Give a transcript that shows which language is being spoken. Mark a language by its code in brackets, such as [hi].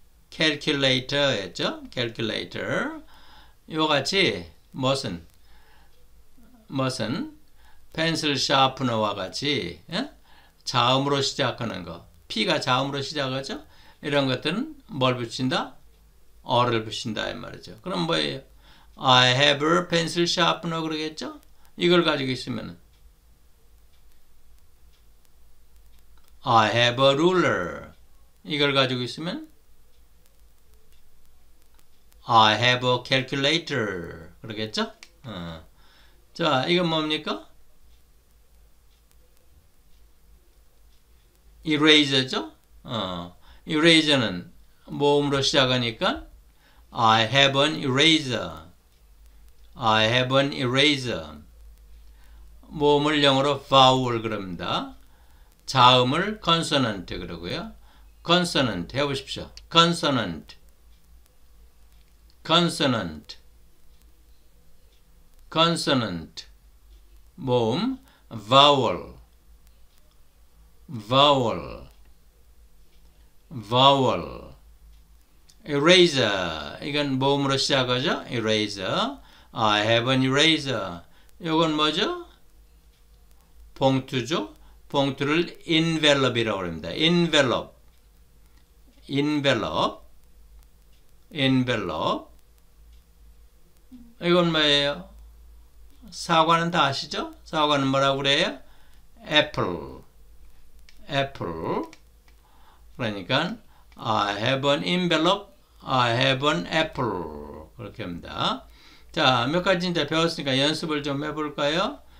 [ko] 캘큘레이터였죠? 캘큘레이터. 요 같이 무슨 펜슬 샤프너와 같이 예? 자음으로 시작하는 거. P가 자음으로 시작하죠? 이런 것들은 뭘 붙인다? 어를 붙인다 이 말이죠. 그럼 뭐예요? [en] I have a pencil sharpener [ko] 그러겠죠? 이걸 가지고 있으면 [en] I have a ruler. [ko] 이걸 가지고 있으면 [en] I have a calculator [ko] 그러겠죠? 자, 이건 뭡니까? Eraser죠? [en] Eraser는 [ko] 모음으로 시작하니까 [en] I have an eraser. I have an eraser. [ko] 모음을 영어로 vowel 그럽니다. 자음을 consonant 그러고요. consonant 해보십시오. [en] consonant. consonant. consonant. [ko] 모음 [en] vowel. vowel. vowel. Eraser. [ko] 이건 모음으로 시작하죠? [en] Eraser. I have an eraser. [ko] 이건 뭐죠? 봉투죠? 봉투를 envelope이라고 합니다. [en] Envelope. Envelope. Envelope. [ko] 이건 뭐예요? 사과는 다 아시죠? 사과는 뭐라고 그래요? [en] Apple. Apple. [ko] 그러니까 [en] I have an envelope. I have an apple. [ko] 그렇게 합니다. 자, 몇 가지 이제 배웠으니까 연습을 좀 해볼까요?